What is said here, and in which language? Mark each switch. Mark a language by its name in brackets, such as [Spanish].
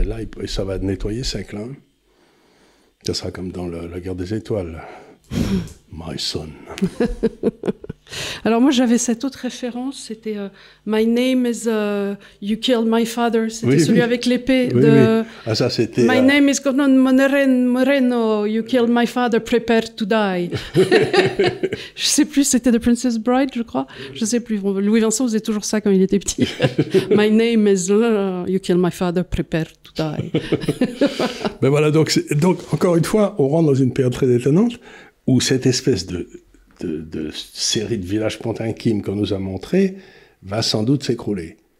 [French] Et là, ça va nettoyer ses clans. Ça sera comme dans la guerre des étoiles. [English] My son. [French] Alors moi j'avais cette autre référence, c'était [English] My name is You killed my father, [French] c'était celui avec l'épée de oui. Ah, ça, c'était, [English] My name is Conan Moreno, You killed my father, prepare to die. [French] Je sais plus, c'était The Princess Bride, je crois. Je sais plus, Louis Vincent faisait toujours ça quand il était petit. [English] My name is You killed my father, prepare to die. [French] Ben voilà, donc encore une fois, on rentre dans une période très étonnante où cette espèce de série de villages Potemkin qu'on nous a montré va sans doute s'écrouler.